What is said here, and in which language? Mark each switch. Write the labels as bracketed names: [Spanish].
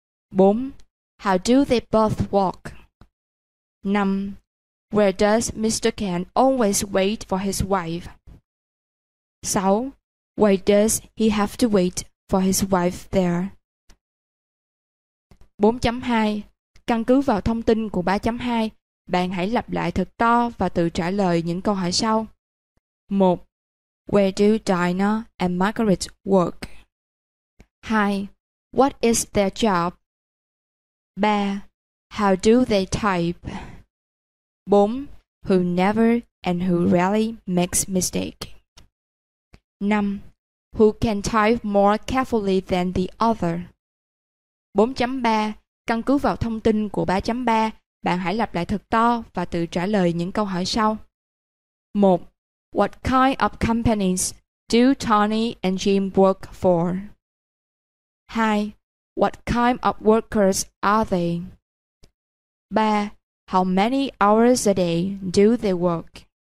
[English] 4. How do they both walk? 5. Where does Mr. Kent always wait for his wife? 6. Why does he have to wait for his wife there? 4.2. [Vietnamese] Căn cứ vào thông tin của 3.2, bạn hãy lặp lại thật to và tự trả lời những câu hỏi sau. [English] 1. Where do Dinah and Margaret work? 2. What is their job? 3. How do they type? 4. Who never and who rarely makes mistake? 5. Who can type more carefully than the other? 4.3. [Vietnamese] Căn cứ vào thông tin của 3.3, bạn hãy lặp lại thật to và tự trả lời những câu hỏi sau. 1. [English] What kind of companies do Tony and Jim work for? 2. What kind of workers are they? 3. How many hours a day do they work?